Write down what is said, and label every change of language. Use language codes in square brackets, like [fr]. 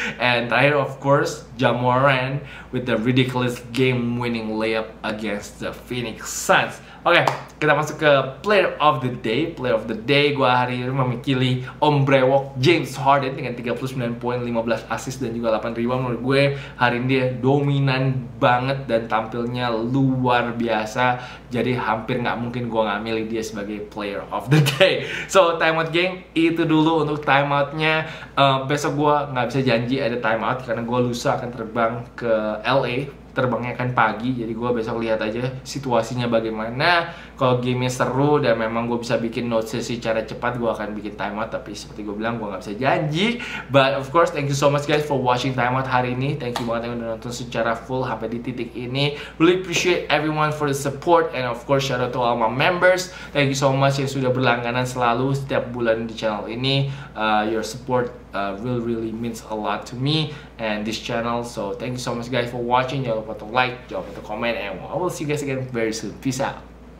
[en] And [id] terakhir [en] of course John Moran with the ridiculous game winning layup against the Phoenix Suns. [id] Okay, kita masuk ke Player of the Day. Gua hari ini memilih Ombre Walk James Harden dengan 39 poin, 15 asis dan juga 8 rebound. Menurut gue hari ini dia dominan banget dan tampilnya luar biasa. Jadi hampir nggak mungkin gue nggak milih dia sebagai Player of the Day. So timeout geng, itu dulu untuk timeoutnya. Besok gue nggak bisa janji ada timeout karena gue lusa akan terbang ke LA. Terbangnya kan pagi, jadi gue besok lihat aja situasinya bagaimana. Kalau gamenya seru dan memang gue bisa bikin notes secara cepat, gue akan bikin timeout. Tapi seperti gue bilang, gue gak bisa janji. [en] But of course, thank you so much guys for watching timeout [id] hari ini. [en] Thank you [id] banget yang udah nonton secara full sampai di titik ini. [en] Really appreciate everyone for the support. And of course, shout out to all my members. Thank you so much [id] yang sudah berlangganan selalu setiap bulan di channel ini. [en] Your support really means a lot to me and this channel. So thank you so much guys for watching. [id] Jangan lupa [en] to like, [id] jangan lupa [en] to comment, and I will see you guys again very soon. Peace out.